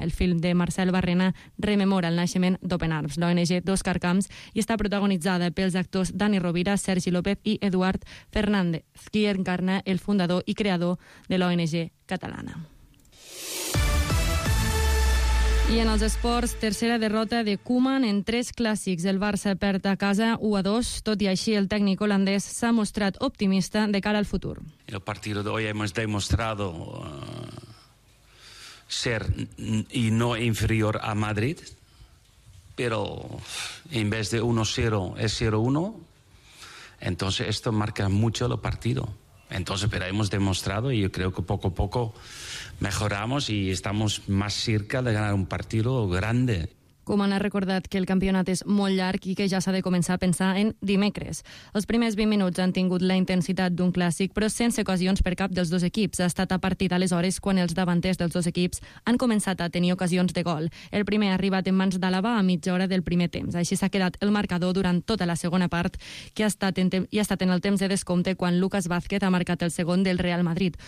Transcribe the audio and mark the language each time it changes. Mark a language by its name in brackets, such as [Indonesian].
[Catalan] El film de Marcel Barrena rememora el naixement d'Open Arms, l'ONG d'Òscar Camps, i està protagonitzada pels actors Dani Rovira, Sergi López i Eduard Fernández, qui encarna el fundador i creador de l'ONG catalana. I en els esports, tercera derrota de Koeman en tres clàssics. El Barça perd a casa 1-2. Tot i així, el tècnic holandès s'ha mostrat optimista de cara al futur. [Spanish] El partido de hoy hemos demostrado ser y no inferior a Madrid, pero en vez de 1-0 es 0-1. Entonces esto marca mucho el partido. Entonces, pero hemos demostrado y yo creo que poco a poco mejoramos y estamos más cerca de ganar un partido grande. [Catalan] Koeman ha recordat que el campionat és molt llarg i que ja s'ha de començar a pensar en dimecres. Els primers 20 minuts han tingut la intensitat d'un clàssic, però sense ocasions per cap dels dos equips. Ha estat a partir d'aleshores quan els davanters dels dos equips han començat a tenir ocasions de gol. El primer ha arribat en mans d'Àlava a mitja hora del primer temps. Així s'ha quedat el marcador durant tota la segona part, que ha estat en el temps de descompte quan Lucas Vázquez ha marcat el segon del Real Madrid.